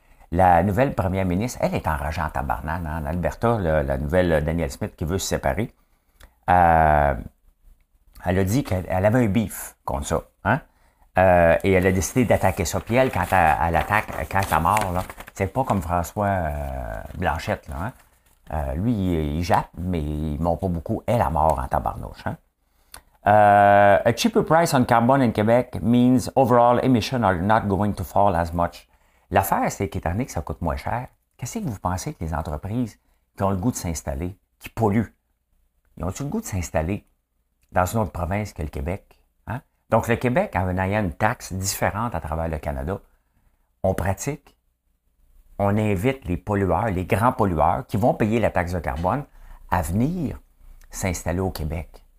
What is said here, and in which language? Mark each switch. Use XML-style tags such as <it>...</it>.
<fr>La nouvelle première ministre, elle est enragée en tabarnane. Hein, en Alberta, la nouvelle Danielle Smith qui veut se séparer, elle a dit qu'elle avait un beef contre ça. Hein? Et elle a décidé d'attaquer ça. Puis elle, quand elle attaque, quand elle est mort, c'est pas comme François Blanchette. Là, hein? Lui, il jappe, mais il ne monte pas beaucoup. Elle a mort en tabarnouche. Hein?</fr> <en>A cheaper price on carbon in Quebec means overall emissions are not going to fall as much.</en> <fr>L'affaire, c'est qu'étant donné que ça coûte moins cher, qu'est-ce que vous pensez que les entreprises qui ont le goût de s'installer, qui polluent, ils ont-ils le goût de s'installer dans une autre province que le Québec? Hein? Donc, le Québec, en ayant une taxe différente à travers le Canada, on pratique, on invite les pollueurs, les grands pollueurs qui vont payer la taxe de carbone à venir s'installer au Québec.</fr>